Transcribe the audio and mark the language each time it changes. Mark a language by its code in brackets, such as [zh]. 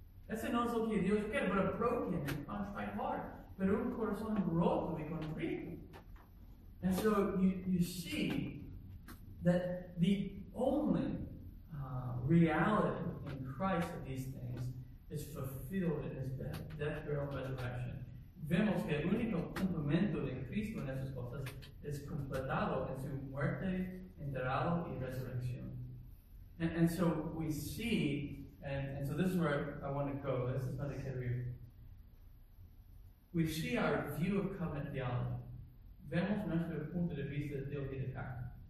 [es] Ese no es lo que Dios quiere, [en] but a broken and contrite heart. [es] Pero un corazón roto y contrito. [en] And so you see that the only reality in Christ of these things is fulfilled in his death, burial, and resurrection. [es] Vemos que el único cumplimiento de Cristo en esas cosas es completado en su muerte, enterrado, y resurrección. [en] And so we see, and so this is where I want to go, this is not a career. We see our view of covenant theology. [es] Vemos nuestro punto de vista de Dios y de pacto.